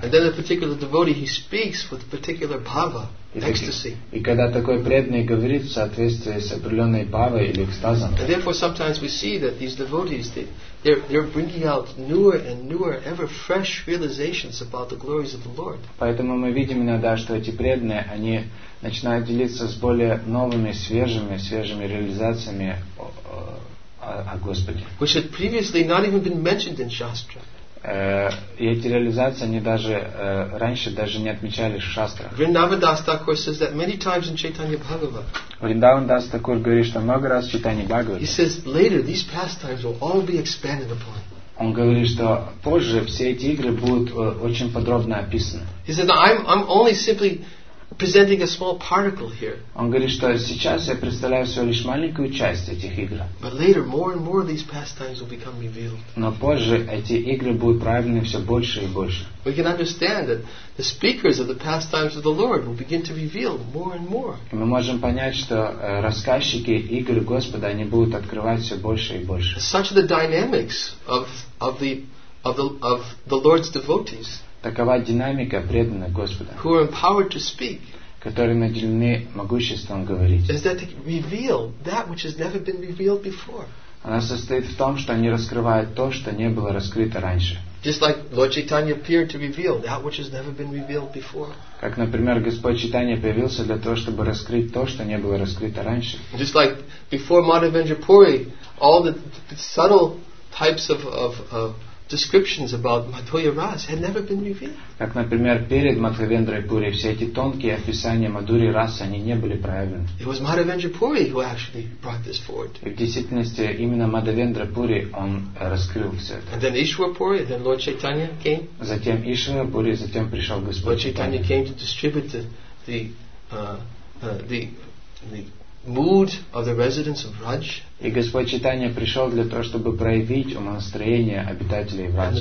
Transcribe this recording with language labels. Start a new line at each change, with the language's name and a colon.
English: And then a particular devotee, he speaks with particular bhava, ecstasy.
Russian: И когда такой преданный говорит в соответствии с определенной бхавой или экстазом.
English: And therefore sometimes we see that these devotees, they're bringing out newer and newer, ever fresh realizations about the glories of the Lord.
Russian: Поэтому мы видим иногда, что эти преданные, они начинают делиться с более новыми, свежими реализациями о Господе.
English: Which had previously not even been mentioned in Shastra.
Russian: И эти реализации они даже раньше даже не отмечались в шастрах.
English: Вриндавандас Такур says that many times in Chaitanya Bhagavat.
Russian: Вриндавандас Такур говорит, что много раз в Чайтанье Бхагавате.
English: He says later these pastimes will all be expanded upon.
Russian: Он говорит, что позже все эти игры будут очень подробно описаны.
English: He says, I'm only simply presenting a small particle here.
Russian: Он говорит, что сейчас я представляю всего лишь маленькую часть этих игр.
English: But later, more and more of these pastimes will become revealed.
Russian: Но позже эти игры будут проявлены все больше и больше.
English: We can understand that the speakers of the pastimes of the Lord will begin to reveal more and more.
Russian: И мы можем понять, что рассказчики игр Господа они будут открывать все больше и больше.
English: Such are the dynamics of the Lord's devotees.
Russian: Такова динамика преданных Господа,
English: who are empowered to speak,
Russian: которые наделены могуществом говорить.
English: Is that they reveal that which has never been revealed before?
Russian: Она состоит в том, что они раскрывают то, что не было раскрыто раньше.
English: Just like Lord Chaitanya appeared to reveal that which has never been revealed before.
Russian: Как, например, Господь Чайтанья появился для того, чтобы раскрыть то, что не было раскрыто раньше.
English: Just like before Madhavendra Puri, all the subtle types of descriptions about Madhurya Rasa had never been revealed.
Russian: Как, например, перед Мадхавендрой Пури все эти тонкие описания Мадхурьи Расы они не были проявлены.
English: It was Madhavendra Puri who actually brought this forward.
Russian: И в действительности именно Мадхавендра Пури он раскрыл все это.
English: And then Ishwara Puri, then Lord Chaitanya came.
Russian: Затем Ишвара Пури, затем пришел Господь.
English: Lord Chaitanya came to distribute the mood of the residents of Raj.
Russian: И Господь Чайтанья пришел для того, чтобы проявить умонастроение обитателей Враджа.